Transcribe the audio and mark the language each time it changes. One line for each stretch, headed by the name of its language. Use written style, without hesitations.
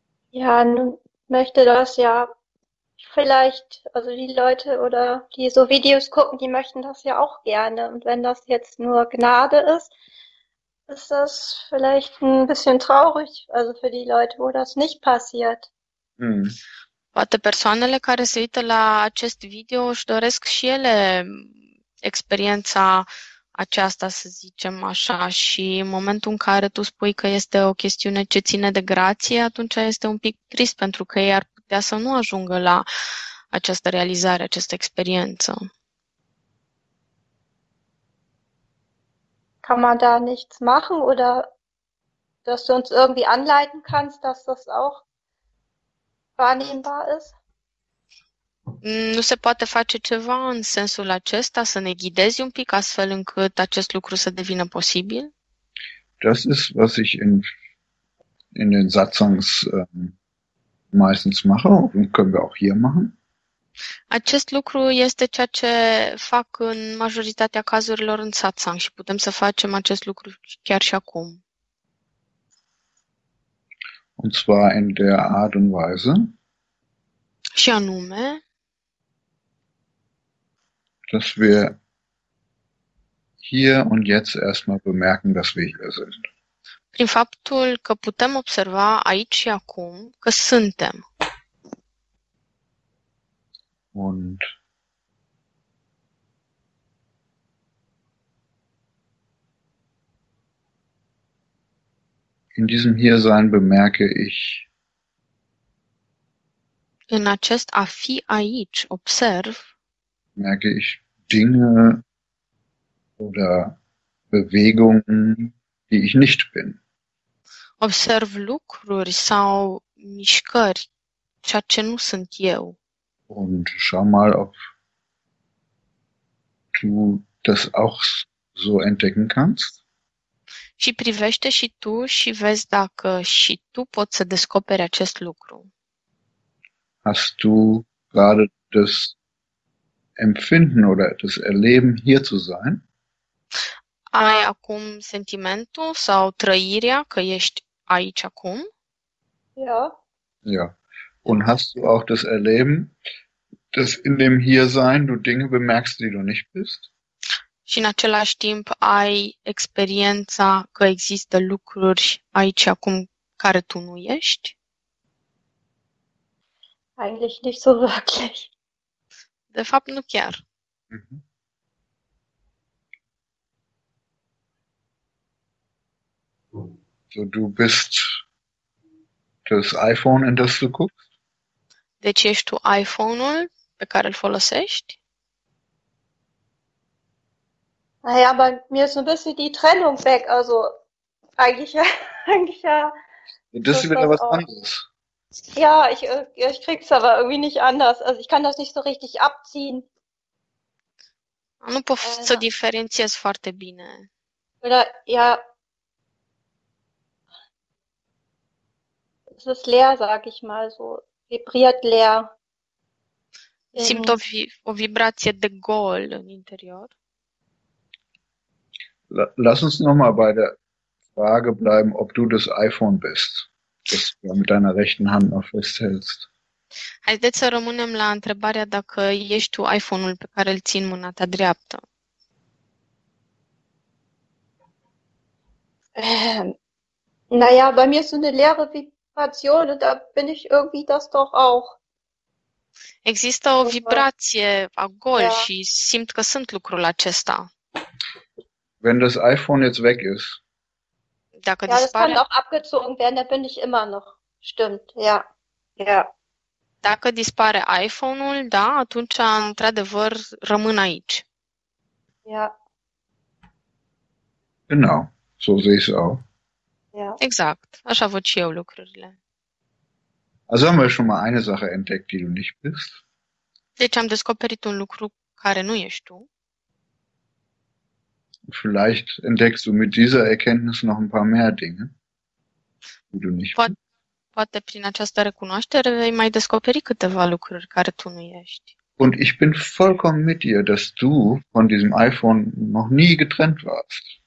German: Ja, nun möchte das ja vielleicht, also die Leute oder die so Videos gucken, die möchten das ja auch gerne. Und wenn das jetzt nur Gnade ist, ist das vielleicht ein bisschen traurig, also für die Leute, wo das nicht passiert.
Romanian: Poate persoanele care se uită la acest video își doresc și ele experiența aceasta, să zicem așa, și în momentul în care tu spui că este o chestiune ce ține de grație, atunci este un pic trist pentru că ei ar putea să nu ajungă la această realizare, această experiență.
German: Kann man da nichts machen oder dass du uns irgendwie anleiten kannst, dass das auch wahrnehmbar ist?
Romanian: Nu se poate face ceva în sensul acesta, să ne ghidezi un pic astfel încât acest lucru să devină posibil?
German: Das ist, was ich in in den Satsangs meistens mache und können wir auch hier machen.
Romanian: Acest lucru este ceea ce fac în majoritatea cazurilor în satsang și putem să facem acest lucru chiar și acum.
German: Und zwar in der Art und Weise,
Romanian: Și anume,
German: dass wir hier und jetzt erstmal bemerken, dass wir hier sind.
Romanian: Prin faptul că putem observa aici și acum că suntem.
German: Und in diesem Hiersein bemerke ich,
Romanian: In acest a fi aici, observ,
German: merke ich Dinge oder Bewegungen, die ich nicht bin.
Romanian: observ lucruri sau mișcări, ceea ce nu sunt eu.
German: Und schau mal, ob du das auch so entdecken kannst.
Romanian: Și privește și tu și vezi dacă și tu poți să descoperi acest lucru.
German: Hast du gerade das Empfinden oder das Erleben, hier zu sein?
Romanian: Ai acum sentimentul sau trăirea că ești aici acum?
German: Ja. Ja. Und hast du auch das Erleben, dass in dem Hiersein du Dinge bemerkst, die du nicht bist?
Romanian: Și în același timp ai experiența că există lucruri aici acum care tu nu ești?
German: Eigentlich nicht so wirklich.
Romanian: De fapt, nu chiar.
German: So, du bist das iPhone, in das du guckst?
Romanian: Deci ești tu iPhone-ul pe care îl folosești?
German: Naja, aber mir ist ein bisschen die Trennung weg. Also eigentlich ja. Das ist wieder das was auch. Anderes. Ja, ich krieg's aber irgendwie nicht anders. Also ich kann das nicht so richtig abziehen.
Romanian: Nu pot să diferențiez foarte bine.
German: Oder ja. Es ist leer, sag ich mal so. Vibriert leer.
Romanian: Simt o vibrație de gol în interior.
German: Lass uns nochmal bei der Frage bleiben, ob du das iPhone bist, das du mit deiner rechten Hand noch festhältst.
Romanian: Haideți să rămânem la întrebarea dacă ești tu iPhone-ul pe care îl ții în mâna ta dreaptă.
German: Naja, bei mir ist eine leere Vibration und da bin ich irgendwie das doch auch.
Romanian: Există o vibrație a gol
German: ja.
Romanian: Și simt că sunt lucrul acesta.
German: Wenn das iPhone jetzt weg ist.
Romanian: Dacă
German: ja,
Romanian: dispare,
German: das kann auch abgezogen werden, da bin ich immer noch. Stimmt, ja. Ja.
Romanian: Dacă dispare iPhone-ul, da, atunci într-adevăr rămân aici.
German: Ja. Genau. So sehe ich es auch. Ja.
Romanian: Exact. Așa văd și eu lucrurile.
German: Also haben wir schon mal eine Sache entdeckt, die du nicht bist.
Romanian: Deci am descoperit un lucru care nu ești tu.
German: Vielleicht entdeckst du mit dieser Erkenntnis noch ein paar mehr Dinge, die du nicht bist.
Romanian: Poate prin această recunoaștere vei mai descoperi câteva lucruri care tu nu ești.
German: Und ich bin vollkommen mit dir, dass du von diesem iPhone noch nie getrennt warst.